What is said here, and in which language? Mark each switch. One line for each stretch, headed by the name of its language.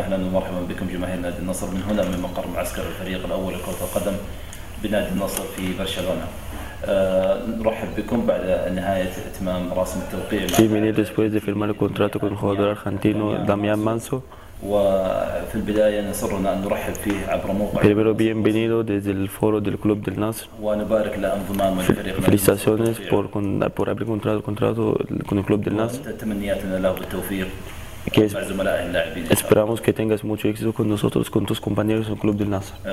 Arabic: أهلا ومرحبا بكم جماهير نادي النصر من هنا من مقر معسكر الفريق الأول لكرة القدم بنادي النصر في برشلونة. نرحب بكم بعد نهاية إتمام رسم التوقيع. في
Spanish: minutos después de firmar el contrato con el jugador argentino Damián Manso.
Arabic: وفي البداية نسرنا أن نرحب فيه عبر موقع.
Spanish: Primero bienvenido desde el foro del club del Nasr.
Arabic: ونبارك لانضمام الفريق.
Spanish: Felicitaciones por haber contratado con el club del Nasr.
Arabic: تمنياتنا له بالتوفيق.
Spanish: Que esperamos que tengas mucho éxito con nosotros, con tus compañeros en el club del Nasr.